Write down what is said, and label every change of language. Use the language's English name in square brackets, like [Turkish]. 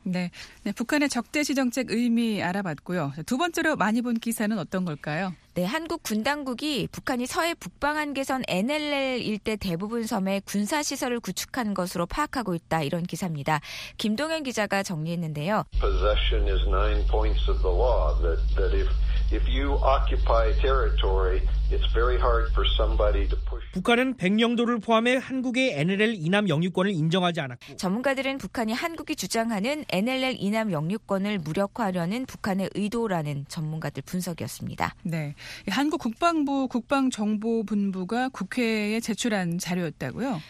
[Korean] 네, 네 북한의 적대시 정책 의미 알아봤고요. 두 번째로 많이 본 기사는 어떤 걸까요? 네, 한국 군당국이 북한이 서해 북방한계선 NLL 일대 대부분 섬에 군사시설을 구축한 것으로 파악하고 있다 이런 기사입니다. 김동현 기자가 정리했는데요. [English] Possession is nine points of the law that, that if you occupy territory, it's very hard for somebody to push. [Korean] 북한은 백령도를 포함해 한국의 NLL 이남 영유권을 인정하지 않았고 전문가들은 북한이 한국이 주장하는 NLL 이남 영유권을 무력화하려는 북한의 의도라는 전문가들 분석이었습니다. 네. 한국 국방부 국방정보본부가 국회에 제출한 자료였다고요?